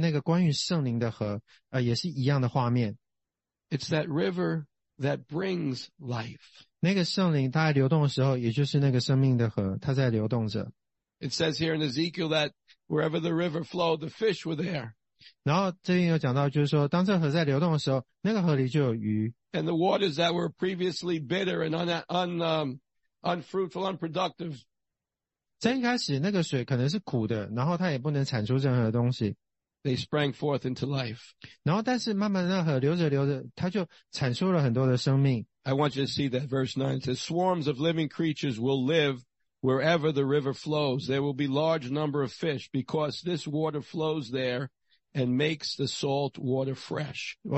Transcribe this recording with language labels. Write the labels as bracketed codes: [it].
[zh] 我也相信这就是神安置在我里面那个关于圣灵的河，也是一样的画面。 [en] It's that river that brings life. [zh] 那个圣灵它在流动的时候，也就是那个生命的河，它在流动着。 [en] It says here in Ezekiel that wherever the river flowed, the fish were there. [zh] 然后这边有讲到，就是说当这河在流动的时候，那个河里就有鱼。 [en] And the waters that were previously bitter and unfruitful, unproductive. [zh] 在一开始那个水可能是苦的，然后它也不能产出任何东西。 [en] They sprang forth into life. [zh] 然后但是慢慢那河流着流着，它就产出了很多的生命。 [en] I want you to see that verse 9. It says, Swarms of living creatures will live wherever the river flows. There will be large number of fish because this water flows there and makes the salt water fresh.